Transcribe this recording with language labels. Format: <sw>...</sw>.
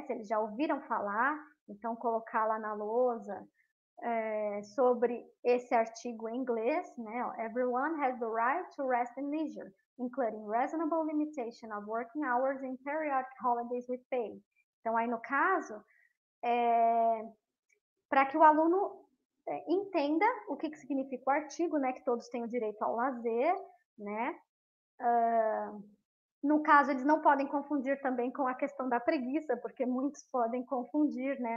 <pt>Se eles já ouviram falar, então colocar lá na lousa, sobre esse artigo em inglês, né?</pt> <en>Everyone has the right to rest and leisure, including reasonable limitation of working hours and periodic holidays with pay.</en> <pt>Então, aí no caso, para que o aluno entenda o que, que significa o artigo, né? Que todos têm o direito ao lazer, né? No caso, eles não podem confundir também com a questão da preguiça, porque muitos podem confundir, né?</pt>